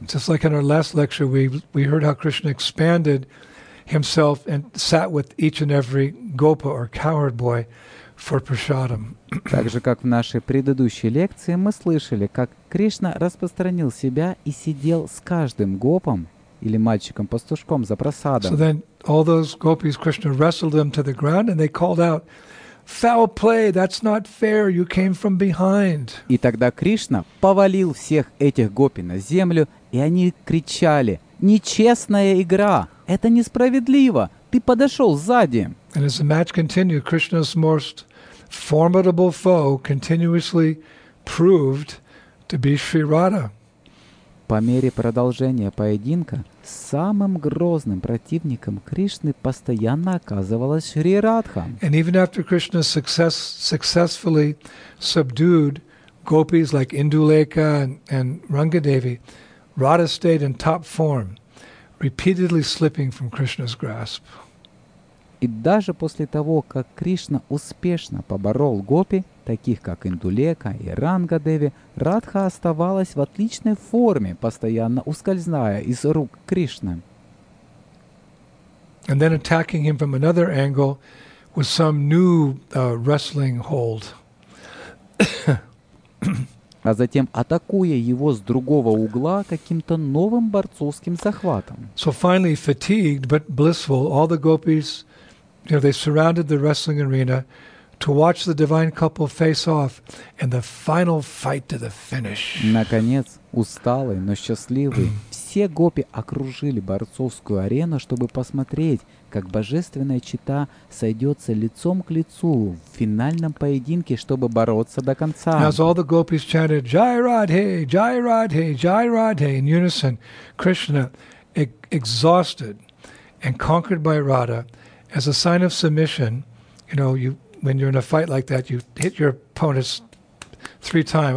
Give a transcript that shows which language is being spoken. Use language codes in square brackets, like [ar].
[en] Just like in our last lecture, we heard how Krishna expanded himself and sat with each and every gopa or cowherd boy for prasadam. [ru] Так же, как в нашей предыдущей лекции, мы слышали, как Кришна распространил себя и сидел с каждым гопом или мальчиком-пастушком за прасадом. [en] So then all those gopis, Krishna wrestled them to the ground and they called out, "Foul play, that's not fair, you came from behind." [ru] И тогда Кришна повалил всех этих гопи на землю, и они кричали, "Нечестная игра! Это несправедливо! Ты подошел сзади!" [en] And as the match continued, Krishna's most formidable foe continuously proved to be Sri Radha. [ru] По мере продолжения поединка, самым грозным противником Кришны постоянно оказывалась Шри Радха. [en] And even after Krishna successfully subdued gopis like Induleka and Rangadevi, Radha stayed in top form, repeatedly slipping from Krishna's grasp. [ru] И даже после того, как Кришна успешно поборол гопи, таких как Индулека и Рангадеви, Радха оставалась в отличной форме, постоянно ускользая из рук Кришны. [en] And then attacking him from another angle was some new wrestling hold. [ru] А затем атакуя его с другого угла каким-то новым борцовским захватом. [en] So finally fatigued but blissful, all the gopis, you know, they surrounded the wrestling arena to watch the divine couple face off in the final fight to the finish. [ru] Наконец, усталые, но счастливые, все гопи окружили борцовскую арену, чтобы посмотреть, как божественная чета сойдется лицом к лицу в финальном поединке, чтобы бороться до конца. [en] As all the gopis chanted Jai Radhe, Jai Radhe, Jai Radhe in unison, Krishna, exhausted and conquered by Radha, as a sign of submission, you know, you when you're in a fight like that, you hit your opponent three times.